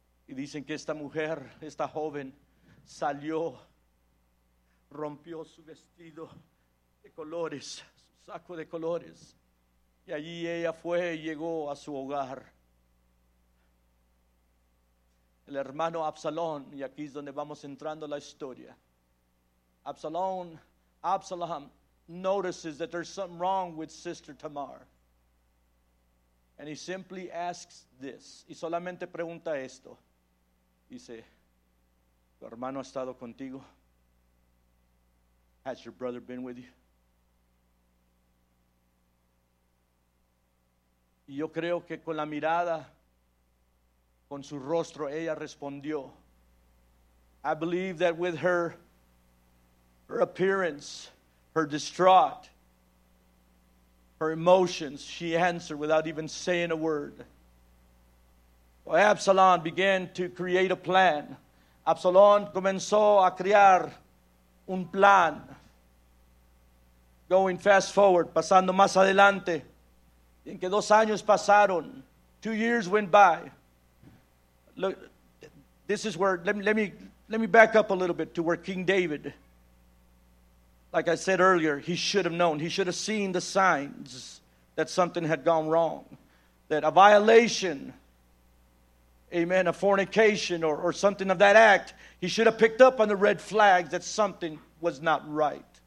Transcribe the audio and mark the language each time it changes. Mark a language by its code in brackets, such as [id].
[es] Y dicen que esta mujer, esta joven, salió, rompió su vestido de colores, su saco de colores. Y allí ella fue y llegó a su hogar. El hermano Absalón, y aquí es donde vamos entrando la historia. [en] Absalom notices that there's something wrong with Sister Tamar. And he simply asks this, [es] y solamente pregunta esto. Dice, ¿tu hermano ha estado contigo? [en] Has your brother been with you? [es] Y yo creo que con la mirada, con su rostro, ella respondió. [en] I believe that with her her appearance, her distraught, her emotions, she answered without even saying a word. Well, Absalom began to create a plan. [es] Absalom comenzó a crear un plan. [en] Going fast forward, [es] pasando más adelante, en que 2 años pasaron, [en] 2 years went by. Look, this is where, let me back up a little bit to where King David, like I said earlier, he should have known. He should have seen the signs that something had gone wrong. That a violation, amen, a fornication or something of that act, he should have picked up on the red flags that something was not right.